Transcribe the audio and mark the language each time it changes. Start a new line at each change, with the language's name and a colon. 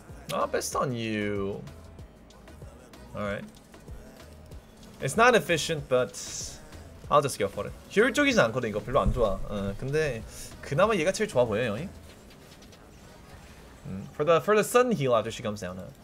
English: Not best on you. All right. It's not efficient, but I'll just go for it.
Korean: 효율적이지 않거든 이거 별로 안 좋아. 근데 그나마 얘가 제일 좋아 보여요.
English: For the sudden heal after she comes down.